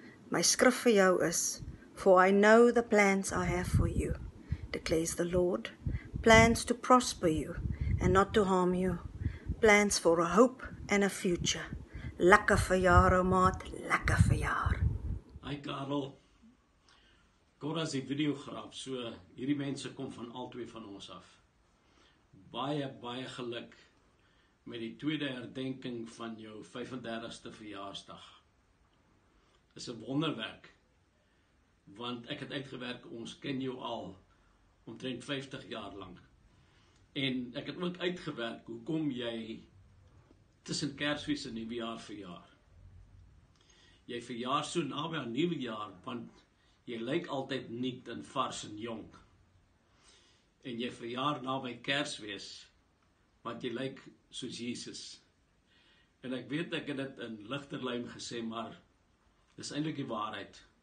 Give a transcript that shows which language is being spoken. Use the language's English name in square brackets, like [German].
[Afrikaans] My skrif vir jou is, [English] For I know the plans I have for you, declares the Lord, plans to prosper you and not to harm you, plans for a hope and a future. [Afrikaans] Lekker verjaar, ou maat, lekker verjaar. Hi Karel, Cora is die videograaf, so hierdie mense kom van al twee van ons af. Baie, baie geluk met die tweede herdenking van jou 35ste verjaarsdag. Is 'n wonderwerk, want ek het uitgewerk, ons ken jou al omtrent 50 jaar lank. En ek het ook uitgewerk, hoekom jy tussen Kersfees en Nuwejaar verjaar. Jy verjaar so naby aan Nuwejaar, want jy lyk altyd nuut en vars en jong. En jy verjaar naby Kersfees, want jy lyk soos Jesus. En ek weet ek het dit in ligter lyn gesê, maar dis eintlik die waarheid.